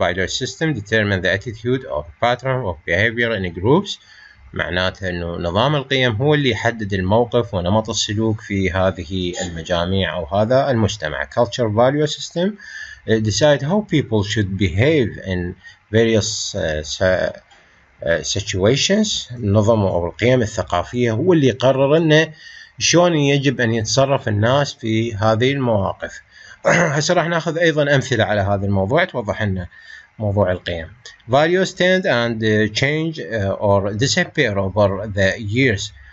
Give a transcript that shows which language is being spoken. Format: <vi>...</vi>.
<en>Value system determine the attitude or pattern of behavior in groups.</en> <ar>معناته أنه نظام القيم هو اللي يحدد الموقف ونمط السلوك في هذه المجاميع أو هذا المجتمع.</ar> <en>Culture value system decide how people should behave in various situations.</en> <ar>النظام أو القيم الثقافية هو اللي يقرر أنه شلون يجب أن يتصرف الناس في هذه المواقف. هسه راح ناخذ ايضا امثله على هذا الموضوع توضح لنا موضوع القيم.</ar> <en>Values stand and change or disappear over the years.</en>